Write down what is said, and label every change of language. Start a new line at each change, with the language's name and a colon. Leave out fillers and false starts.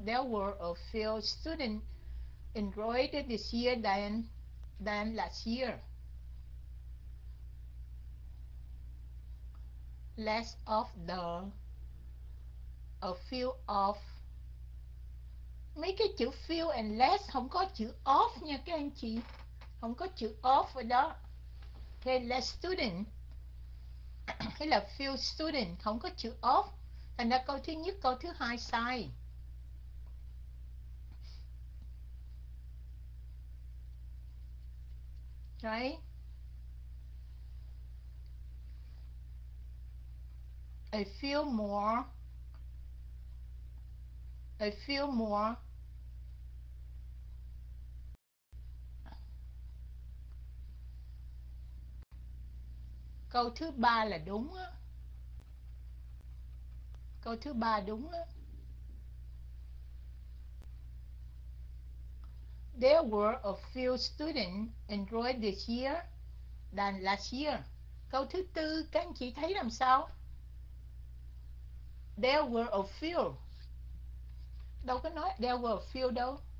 English: There were a few students enrolled this year than last year. Less of the a few of
Vietnamese: mấy cái chữ few and less không có chữ of nha các anh chị, không có chữ of ở đó. Okay, less student hay là few student không có chữ of. Thành ra câu thứ nhất, câu thứ hai sai.
English: Right. A few more.
Vietnamese: Câu thứ ba là đúng á. Câu thứ ba đúng á.
English: There were a few students enrolled this year than last year.
Vietnamese: Câu thứ tư, các anh chị thấy làm sao?
English: There were a few.
Vietnamese: Đâu có nói
English: there were a few
Vietnamese: đâu.